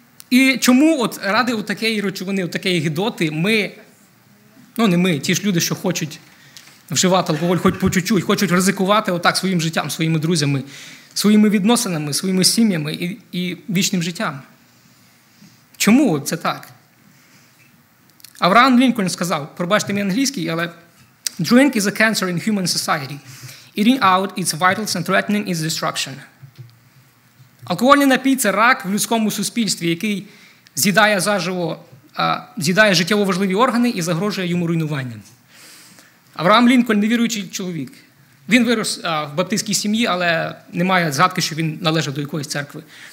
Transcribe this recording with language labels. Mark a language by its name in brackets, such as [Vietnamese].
[Ukrainian] І чому от ради от такої речовини, от такої гідоти, ми, ну не ми, ті ж люди, що хочуть вживати алкоголь хоч по чуть-чуть, хочуть ризикувати отак своїм життям, своїми друзями, своїми відносинами, своїми сім'ями і вічним життям. Чому це так? Авраам Лінкольн сказав, пробачте мені англійський, але [English] «Drink is a cancer in human society. Eating out its vitals and threatening its destruction». [Ukrainian] Алкогольний напій – це рак в людському суспільстві, який з'їдає заживо, з'їдає життєво важливі органи і загрожує йому руйнуванням. Авраам Лінкольн – невіруючий чоловік. Він вирос в баптистській сім'ї, але немає згадки, що він належав до якоїсь церкви.